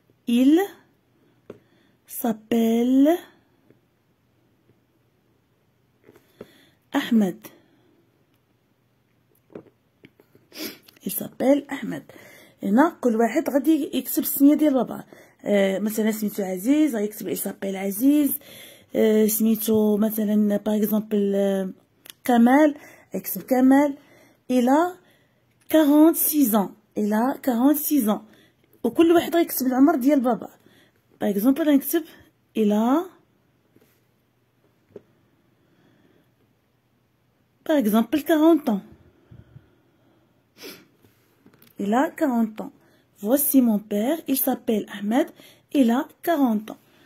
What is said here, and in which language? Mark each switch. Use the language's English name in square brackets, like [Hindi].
[French] Il s'appelle احمد. [Arabic] يسابيل احمد. هنا كل واحد غادي يكتب السميه ديال بابا. مثلا سميتو عزيز غيكتب يسابيل عزيز. سميتو مثلا باغ اكزومبل كمال يكتب كمال. الى 46 ans، الى 46 ans، وكل واحد غيكتب العمر ديال بابا. باغ اكزومبل غنكتب الى par exemple 40 ans. [French] Il a 40 ans. Voici mon père, il s'appelle Ahmed, il a 40 ans.